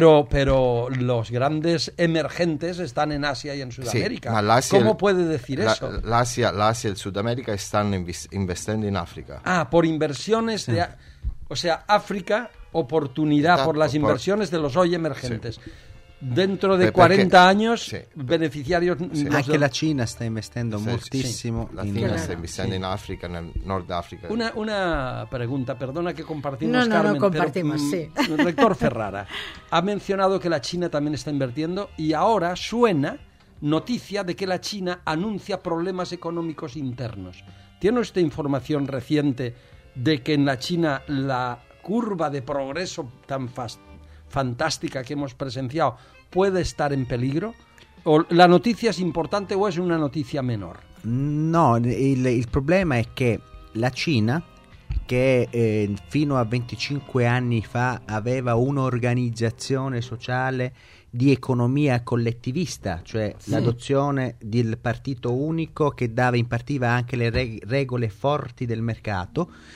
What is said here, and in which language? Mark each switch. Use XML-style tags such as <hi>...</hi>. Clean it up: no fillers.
<es>Pero los grandes emergentes están en Asia y en Sudamérica. ¿Cómo puede decir eso? La Asia y el Sudamérica están investiendo en África. Ah, por inversiones de... O sea, África, oportunidad por las inversiones de los hoy emergentes. Sí. Dentro de 40 años, beneficiarios... Sí.</es> <it>Anche la Cina sta investendo moltissimo.</it> <es>Sí.</es> <it>La Cina sta investendo in Africa, nel Nord Africa.</it> <es>Una pregunta, perdona que compartimos, Carmen. No, compartimos, pero, sí. El rector Ferrara ha mencionado que la China también está invirtiendo y ahora suena noticia de que la China anuncia problemas económicos internos. ¿Tiene usted información reciente de que en la China la curva de progreso tan fantástica que hemos presenciado puede estar en peligro? ¿O la noticia es importante o es una noticia menor? No, el problema es que la China, que</es> <it>fino a 25 anni fa aveva un'organizzazione sociale di economia collettivista, cioè l'adozione del partito unico che impartiva anche le regole forti del mercato.</it>